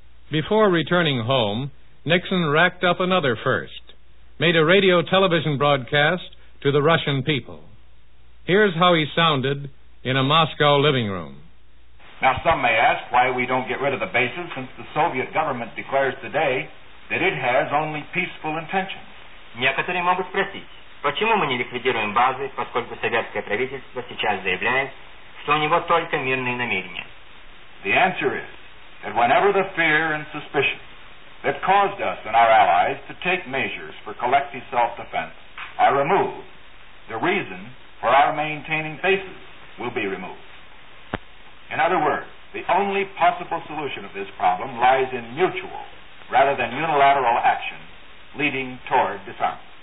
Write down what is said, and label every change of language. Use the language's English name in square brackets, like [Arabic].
[English] Before returning home, Nixon racked up another first, made a radio television broadcast to the Russian people. Here's how he sounded in a Moscow living room. Now, some may ask why we don't get rid of the bases, since the Soviet government declares today that it has only peaceful intentions. [Russian] Некоторые могут спросить, почему мы не ликвидируем базы, поскольку советское правительство сейчас заявляет, что у него только мирные намерения. [English] The answer is that whenever the fear and suspicion that caused us and our allies to take measures for collective self-defense are removed, the reason for our maintaining bases will be removed. In other words, the only possible solution of this problem lies in mutual rather than unilateral action leading toward disarmament.